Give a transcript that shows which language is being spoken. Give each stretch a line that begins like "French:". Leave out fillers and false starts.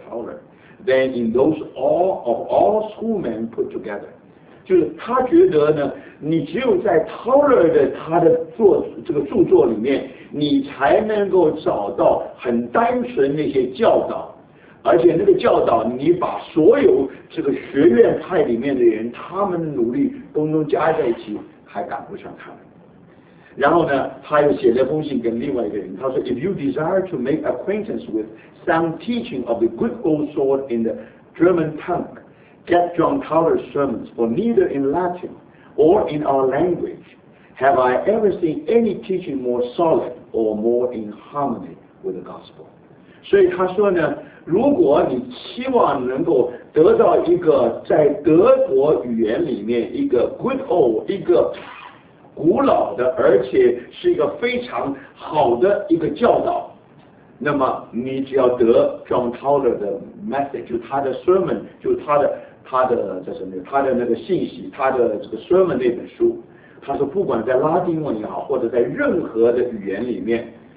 English: Taylor than in those all schoolmen put together。
Chinese: 就是他觉得呢，你只有在 Taylor 的他的这个著作里面，你才能够找到很单纯那些教导，而且那个教导你把所有这个学院派里面的人他们的努力通通加在一起还赶不上他们。然后呢他又写了封信给另外一个人，他说
English: If you desire to make acquaintance with some teaching of the good old sort in the German tongue, get John Taylor's sermons, for neither in Latin or in our language have I ever seen any teaching more solid or more in harmony with the gospel。
Chinese: 所以他说呢，如果你期望能够得到一个在德国语言里面一个
English: good old
Chinese: 一个古老的而且是一个非常好的一个教导，那么你只要得 John Taylor 的 message， 就他的 sermon， 就他的这什么他的那个信息，他的这个 sermon 那本书，他说不管在拉丁文也好或者在任何的语言里面，